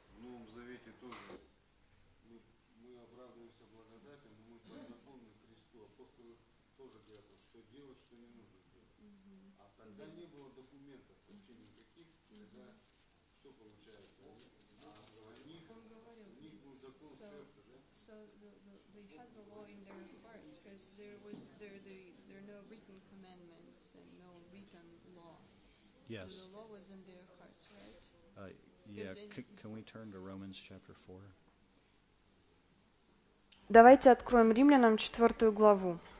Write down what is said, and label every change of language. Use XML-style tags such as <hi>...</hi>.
<ru>В Новом Завете тоже мы обрадуемся благодати, но мы под законом Христу. Апостолы тоже говорят, что делать, что не нужно делать. А тогда не было документов вообще никаких, тогда что получается? В них был закон в сердце, да?</ru> <en>So they had the law in their hearts, because there are no written commandments and no written law. Yes. So the law was in their hearts, right? Yeah, can we turn to Romans chapter 4?</en> <ru>Давайте откроем Римлянам 4 главу.</ru>